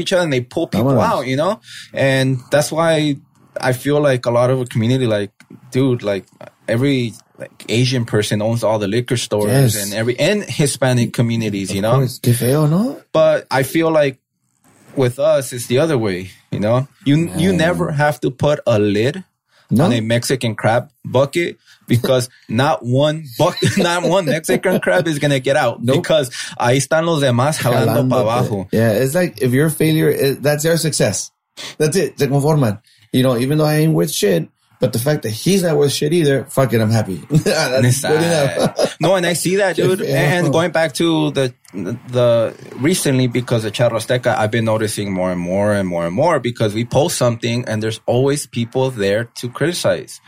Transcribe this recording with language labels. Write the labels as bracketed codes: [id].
[en] each other and they pull people out, you know? And that's why I feel like a lot of a community, every Asian person owns all the liquor stores and Hispanic communities, of you know? Course. [es] Que feo, no? [en] But I feel like with us, it's the other way, you know? You never have to put a lid No. On a Mexican crab bucket, because not one Mexican crab is going to get out. Nope. Because [es] ahí están los demás jalando para abajo. [en] Yeah, it's like if you're a failure, that's their success. That's it. [es] Se conforman. [en] You know, even though I ain't with shit, but the fact that he's not with shit either, fuck it, I'm happy. That's good enough. No, and I see that, dude. And going back to the recently, because of Charro Azteca, I've been noticing more and more and more and more, because we post something and there's always people there to criticize.